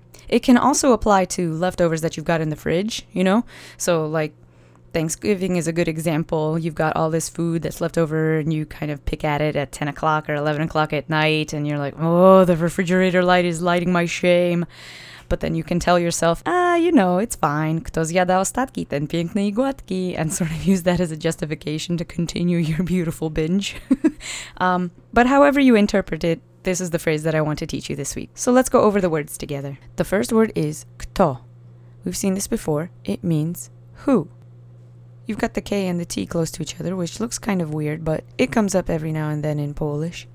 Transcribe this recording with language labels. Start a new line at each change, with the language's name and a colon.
English: It can also apply to leftovers that you've got in the fridge, you know? So, like, Thanksgiving is a good example. You've got all this food that's left over and you kind of pick at it at 10 o'clock or 11 o'clock at night and you're like, oh, the refrigerator light is lighting my shame. But then you can tell yourself, you know, it's fine.
Polish: Kto zjada ostatki, ten piękny I gładki.
English: And sort of use that as a justification to continue your beautiful binge. But however you interpret it, this is the phrase that I want to teach you this week. So let's go over the words together. The first word is kto. We've seen this before. It means who. You've got the K and the T close to each other, which looks kind of weird, but it comes up every now and then in Polish.